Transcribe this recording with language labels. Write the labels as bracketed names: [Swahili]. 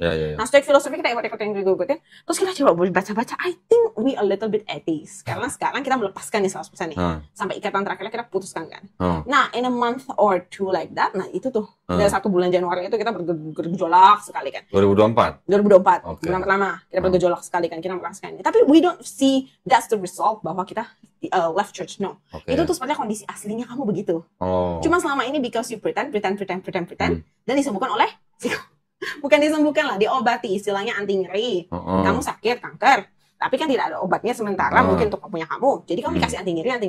[Indonesian] Nah, Stoic philosophy kita ikutin. Terus kita coba baca-baca. [English] I think we a little bit atheist. [Indonesian] Karena sekarang kita melepaskan nih 100% nih. Sampai ikatan terakhirnya kita putuskan kan. Nah, [English] in a month or two like that, [Indonesian] nah itu tuh. Dari satu bulan Januari itu kita bergejolak sekali kan. 2024? Okay. Bulan pertama. Kita bergejolak sekali kan. Kita melepaskan. Tapi [English] we don't see that's the result [Indonesian] bahwa kita [English] left church. No. Okay. [Indonesian] Itu tuh sepertinya kondisi aslinya kamu begitu. Cuma selama ini [English] because you pretend, [Indonesian] dan disembuhkan oleh bukan disembuhkan lah, diobati, istilahnya anti nyeri. Kamu sakit kanker, tapi kan tidak ada obatnya sementara mungkin untuk punya kamu. Jadi kamu dikasih anti nyeri.